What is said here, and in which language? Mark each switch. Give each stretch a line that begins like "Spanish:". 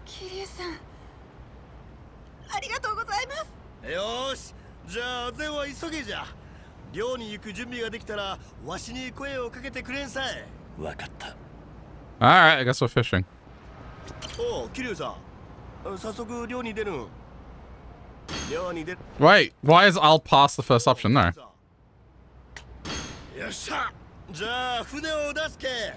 Japanese: 桐生さん、ありがとうございます。よし、じゃあ善は急げじゃ。寮に行く準備ができたらわしに声をかけてくれんさい。わかった。
English: Alright, I guess we're fishing.
Japanese: おう、キリュウさん、早速寮に出る。寮に出る。
English: Wait, why is I'll pass the first option? No.
Japanese: よっしゃ、じゃあ船を出すけ。